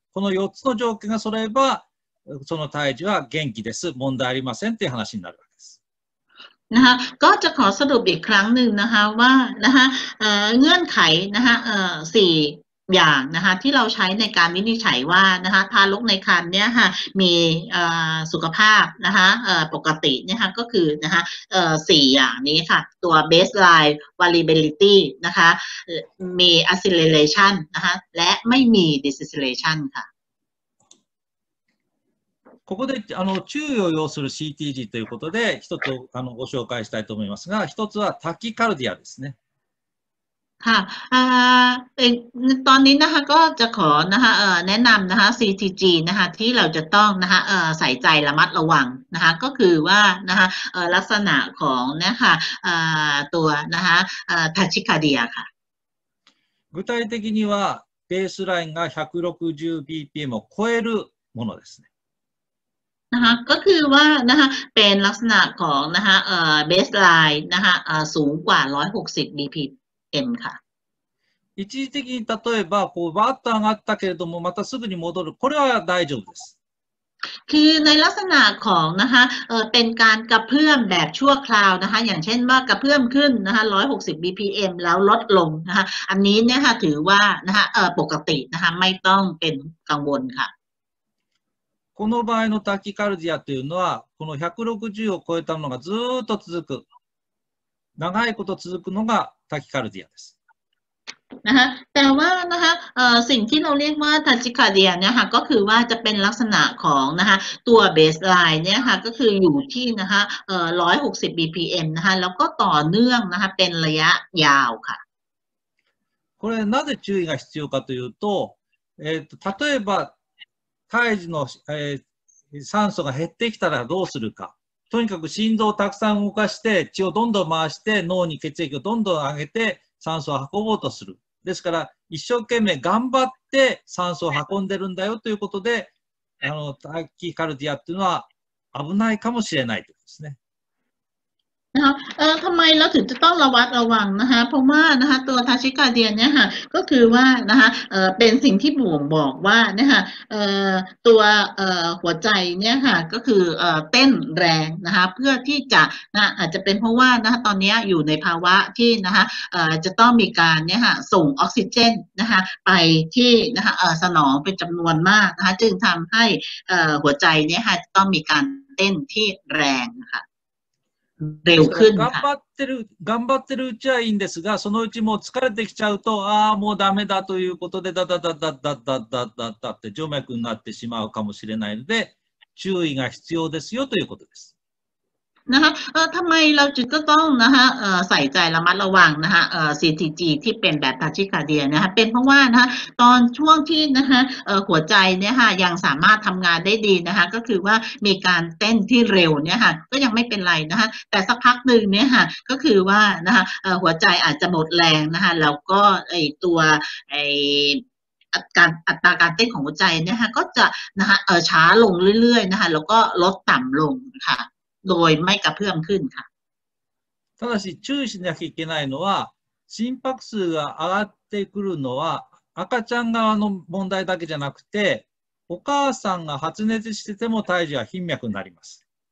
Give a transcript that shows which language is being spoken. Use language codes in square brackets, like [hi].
[ja] この4つの条件が揃えば、その胎児は元気です、問題ありませんという話になるわけです。 [th] นะคะก็จะขอสรุปอีกครั้งหนึ่งนะคะว่านะคะเงื่อนไขนะคะ4อย่างนะคะที่เราใช้ในการวินิจฉัยว่านะคะทารกในครรภ์เนี่ยค่ะมีสุขภาพนะคะปกติเนี่ยค่ะก็คือนะคะ4อย่างนี้ค่ะตัว baseline variability นะคะมี acceleration นะคะและไม่มี deceleration ค่ะ [ja] ここで注意を要する CTG ということで一つご紹介したいと思いますが一つはタキカルディアですね [th] ค่ะตอนนี้นะคะก็จะขอนะคะแนะนำนะคะ CTG นะคะที่เราจะต้องนะคะใส่ใจระมัดระวังนะคะก็คือว่านะคะลักษณะของนะคะตัวนะคะทาชิคาเดียค่ะ [ja] 具体的にはベースラインが 160bpm を超えるものですね [th] นะคะก็คือว่านะคะเป็นลักษณะของนะคะbaseline นะคะสูงกว่า 160bpm M ค่ะ [ja] 一時的に例えばこうバッと上がったけれどもまたすぐに戻るこれは大丈夫です [th] คือในลักษณะของนะคะเป็นการกระเพื่อมแบบชั่วคราวนะคะอย่างเช่นว่ากระเพื่อมขึ้นนะคะ160 BPM แล้วลดลงนะคะอันนี้เนี่ยค่ะถือว่านะคะปกตินะคะไม่ต้องเป็นกังวลค่ะ [ja] この場合のタキカルディアというのはこの160を超えたものがずっと続く長いこと続くのがタキカルディアです。 [th] นะคะ แต่ว่านะคะ สิ่งที่เราเรียกว่าทาชิคาเดียเนี่ยค่ะ ก็คือว่าจะเป็นลักษณะของนะคะ ตัวเบสไลน์เนี่ยค่ะ ก็คืออยู่ที่นะคะ 160 BPM นะคะ แล้วก็ต่อเนื่องนะคะ เป็นระยะยาวค่ะ [ja] これなぜ注意が必要かというと例えば胎児の酸素が減ってきたらどうするかとにかく心臓をたくさん動かして血をどんどん回して脳に血液をどんどん上げて酸素を運ぼうとする。ですから一生懸命頑張って酸素を運んでるんだよということでタキカルディアっていうのは危ないかもしれないということですね。 [th] นะคะทำไมเราถึงจะต้องระวัดระวังนะคะเพราะว่านะคะตัวทาชิกาเดียนเนี่ยค่ะก็คือว่านะคะเป็นสิ่งที่บ่งบอกว่านะคะตัวหัวใจเนี่ยค่ะก็คือเต้นแรงนะคะเพื่อที่จะนะอาจจะเป็นเพราะว่านะคะตอนนี้อยู่ในภาวะที่นะคะจะต้องมีการเนี่ยค่ะส่งออกซิเจนนะคะไปที่นะคะสนองเป็นจำนวนมากนะคะจึงทำให้หัวใจเนี่ยค่ะต้องมีการเต้นที่แรงค่ะ [ja] でよくんだ。頑張ってる、頑張ってるうちはいいんですが、そのうちもう疲れてきちゃうと、ああもうダメだということでだだだだだだだだって静脈になってしまうかもしれないので、注意が必要ですよということです。 [th] นะคะทำไมเราจึงต้องนะคะใส่ใจระมัดระวังนะคะCTG ที่เป็นแบบทาชิคาเดียนะคะเป็นเพราะว่านะคะตอนช่วงที่นะคะหัวใจเนี่ยค่ะยังสามารถทำงานได้ดีนะคะก็คือว่ามีการเต้นที่เร็วเนี่ยค่ะก็ยังไม่เป็นไรนะคะแต่สักพักหนึ่งเนี่ยค่ะก็คือว่านะคะหัวใจอาจจะหมดแรงนะคะแล้วก็ไอตัวไอ อัตราการเต้นของหัวใจเนี่ยค่ะก็จะนะคะช้าลงเรื่อยๆนะคะแล้วก็ลดต่ำลงค่ะโดยไม่กระเพื่อมขึ้นค่ะ [ja] ただし注意しなきゃいけないのは心拍数が上がってくるのは赤ちゃん側の問題だけじゃなくてお母さんが発熱してても胎児は頻脈になります